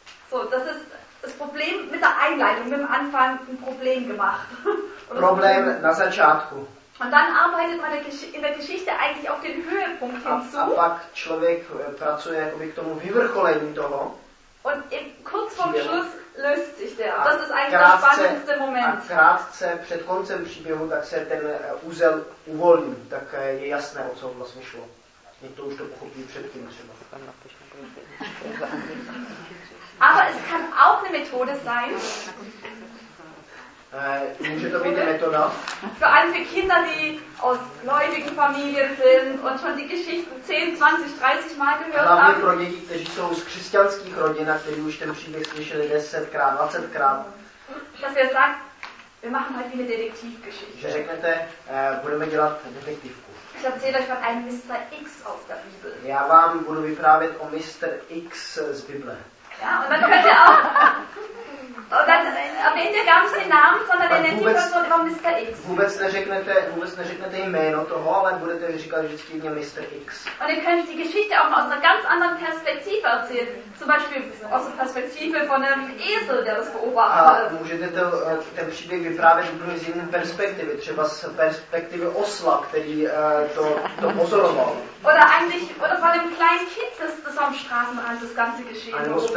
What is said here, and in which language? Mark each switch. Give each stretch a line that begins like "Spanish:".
German: So, das ist das Problem mit der Einleitung, mit dem Anfang ein Problem gemacht.
Czech: Problém na začátku.
German: Und dann arbeitet man in der Geschichte eigentlich auf den Höhepunkt hinzu.
Czech: A pak člověk pracuje jakoby k tomu vyvrcholení toho.
German: Und kurz vorm Schluss löst sich der. Das ist eigentlich der spannendste Moment.
Czech: A krátce před koncem příběhu, tak se ten úzel uvolní. Tak je jasné, o co vlastně šlo. Někdo už to pochopí předtím třeba.
German: Aber es kann auch eine Methode sein.
Czech: Může to být metoda.
German: Für einige Kinder, die aus gläubigen Familien sind und schon die Geschichten 10, 20, 30 Mal gehört haben.
Czech: Pro děti, kteří jsou z křesťanských rodin, kteří už ten příběh slyšeli 10krát, 20krát.
German: Dass ihr sagt, wir machen heute eine Detektivgeschichte.
Czech: Že řeknete, budeme dělat detektivku.
German: Ich erzähle euch von einem Mr. X aus der Bibel.
Czech: Já vám budu vyprávět o Mr. X z Bible.
German: Ja, und dann könnt ihr auch... Und dann erwähnt ihr gar nicht den Namen, sondern ihr nennt die Person von Mr. X.
Czech: Vůbec neřeknete jméno toho, ale budete říkat vždycky jedině Mr. X.
German: Und ihr könnt die Geschichte auch aus einer ganz anderen Perspektive erzählen. Zum Beispiel aus der Perspektive von einem Esel, der das beobachtet.
Czech: A můžete to, ten příběh vyprávět úplně z jiné perspektivy, třeba z perspektivy osla, který to pozoroval.
German: Oder von einem kleinen Kind, das am Straßenrand das ganze Geschehen beobachtet.